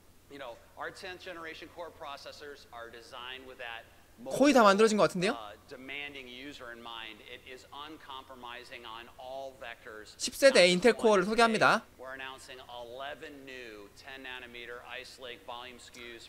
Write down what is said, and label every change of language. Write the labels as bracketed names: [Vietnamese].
[English] you know, our 10th generation core processors are designed with that [Korean] 거의 다 만들어진 것 같은데요. [English] Demanding user in mind, it is uncompromising on all vectors. [Korean] 10세대 인텔 코어를 소개합니다. [English] We're announcing 11 new 10 nanometer Ice Lake volume SKUs.